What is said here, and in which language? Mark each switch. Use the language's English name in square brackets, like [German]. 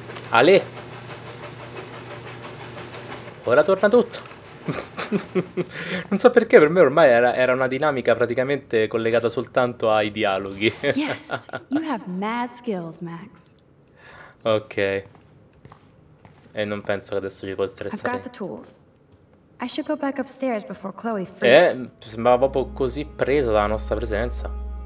[Italian] Ale. Ora torna tutto. Non so perché, per me ormai era una dinamica praticamente collegata soltanto ai dialoghi. [English] Yes, you have mad skills, Max. Ok. [Italian] E non penso che adesso ci possa stressare. [English] I've got the tools. I should go back upstairs before Chloe freaks. [Italian] Sembrava proprio così presa dalla nostra presenza.